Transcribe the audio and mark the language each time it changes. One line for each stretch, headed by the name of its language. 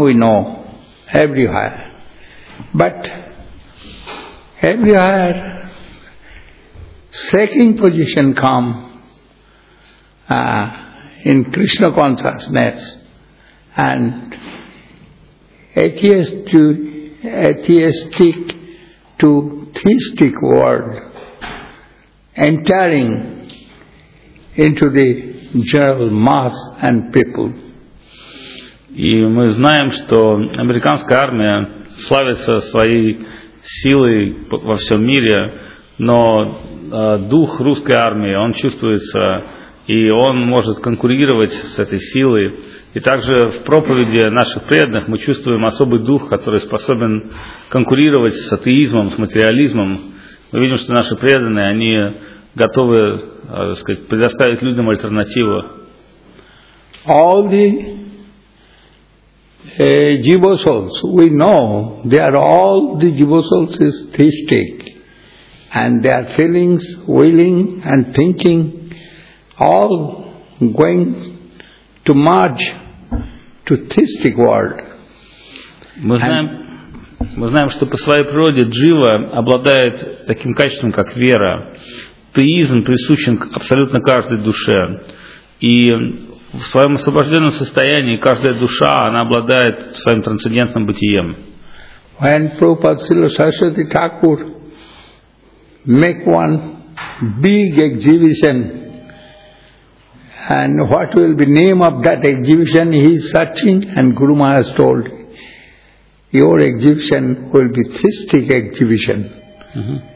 English: We know everywhere, but everywhere second position come in Krishna consciousness, and atheistic to theistic world entering into the general mass and people.
Russian: И мы знаем, что американская армия славится своей силой во всем мире, но дух русской армии, он чувствуется, и он может конкурировать с этой силой. И также в проповеди наших преданных мы чувствуем особый дух, который способен конкурировать с атеизмом, с материализмом. Мы видим, что наши преданные, они готовы, так сказать, предоставить людям альтернативу.
English: All the jiva souls, we know, they are all the jiva souls is theistic. And their feelings, willing and thinking, all going to merge to theistic world.
Russian: Мы знаем, что по своей природе джива обладает таким качеством, как вера. Теизм присущен абсолютно каждой душе. И в своем освобожденном состоянии каждая душа, она обладает своим трансцендентным бытием.
English: When Prabhupada Srila Saraswati Thakur make one big exhibition, and what will be name of that exhibition, he is searching, and Guru Maharaj told, your exhibition will be theistic exhibition. Mm-hmm.